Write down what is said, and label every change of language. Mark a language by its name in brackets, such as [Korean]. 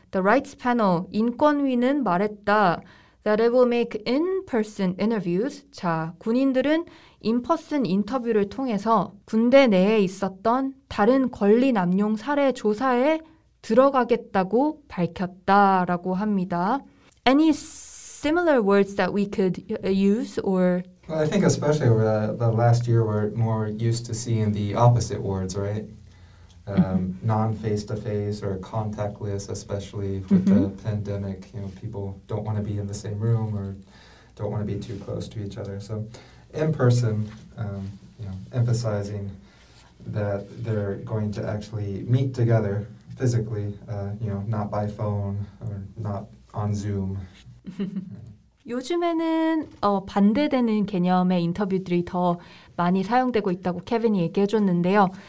[English] The rights panel, [Korean] 인권위는 말했다. [English] That it will make in-person interviews. [Korean] 자, 군인들은 in-person 인터뷰를 통해서 군대 내에 있었던 다른 권리 남용 사례 조사에 들어가겠다고 밝혔다라고 합니다. [English] Any similar words that we could use or... Well, I think especially over the last year, we're more used to seeing the opposite words, right? Non-face-to-face or contactless, especially with the pandemic. You know, people don't want to be in the same room or don't want to be too close to each other. So in-person, you know, emphasizing that they're going to actually meet together physically, you know, not by phone or not on Zoom. [Korean] 요즘에는 반대되는 개념의 인터뷰들이 더 많이 사용되고 있다고 케빈이 얘기해줬는데요.